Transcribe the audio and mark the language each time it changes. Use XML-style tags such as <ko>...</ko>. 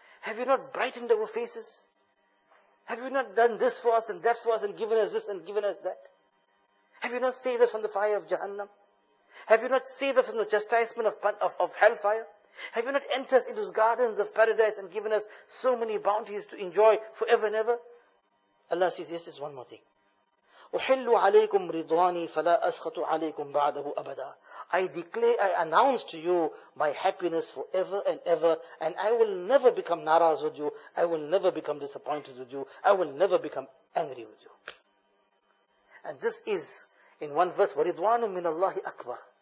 <en>Have you not brightened our faces? Have you not done this for us and that for us and given us this and given us that? Have you not saved us from the fire of Jahannam? Have you not saved us from the chastisement of hellfire? Have you not entered us into those gardens of paradise and given us so many bounties to enjoy forever and ever? Allah says, yes, there's one more thing.</en> <ar>أُحِلُّ عَلَيْكُمْ رِضْوَانِي فَلَا أَسْخَطُ عَلَيْكُمْ بَعْدَهُ أَبَدًا.</ar> <en>I declare, I announce to you my happiness forever and ever, and I will never become naraz with you, I will never become disappointed with you, I will never become angry with you. And this is, in one verse,</en> <ar>وَرِضْوَانٌ مِّنَ اللَّهِ أَكْبَرٌ.</ar>